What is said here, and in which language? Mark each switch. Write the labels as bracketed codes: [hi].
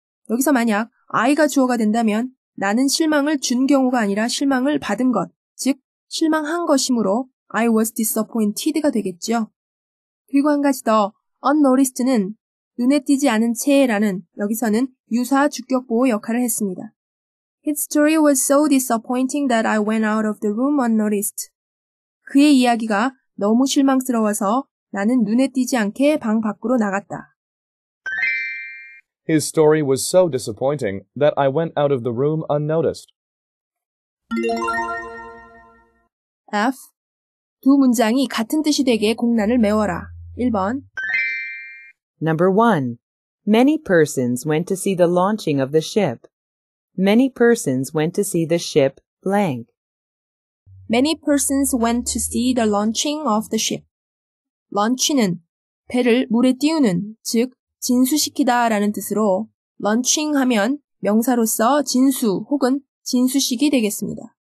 [ko] 여기서 만약 I가 주어가 된다면 나는 실망을 준 경우가 아니라 실망을 받은 것, 즉 실망한 것이므로 [en] I was disappointed [ko] 가 되겠죠. 그리고 한 가지 더, unnoticed는 눈에 띄지 않은 채라는 여기서는 유사 주격 보호 역할을 했습니다. [en] His story was so disappointing that I went out of the room unnoticed. [ko] 그의 이야기가 너무 실망스러워서 나는 눈에 띄지 않게 방 밖으로 나갔다. [en] His story was so disappointing that I went out of the room unnoticed. F. [ko] 두 문장이 같은 뜻이 되게 공란을 메워라. 1번. [en] Number 1. Many persons went to see the launching of the ship. Many persons went to see the ship blank. Many persons went to see the launching of the ship. [ko] Launch는 배를 물에 띄우는, 즉 진수시키다 라는 뜻으로 launching 하면 명사로서 진수 혹은 진수식이 되겠습니다.